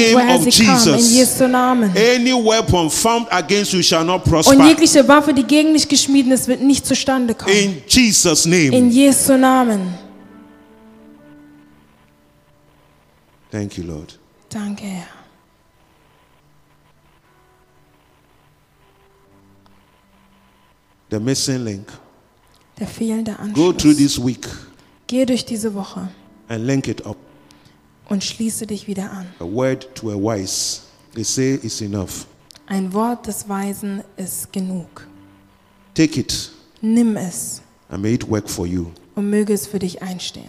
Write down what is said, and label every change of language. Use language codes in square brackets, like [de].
[en] in the name of Jesus. [de] Kam, in Jesu Namen. [en] Any weapon formed against you shall not prosper. [de] Und jegliche Waffe, die gegen dich geschmieden ist, wird nicht zustande kommen. [en] In Jesus' name. [de] In Jesu Namen. [en] Thank you, Lord. [de] Danke, Herr. [en] The missing link. [de] Der fehlende Anschluss. [en] Go through this week. [de] Geh durch diese Woche. [en] And link it up. [de] Und schließe dich wieder an. [en] A word to a wise, they say, is enough. [de] Ein Wort des Weisen ist genug. [en] Take it. [de] Nimm es. [en] And may it work for you. [de] Und möge es für dich einstehen.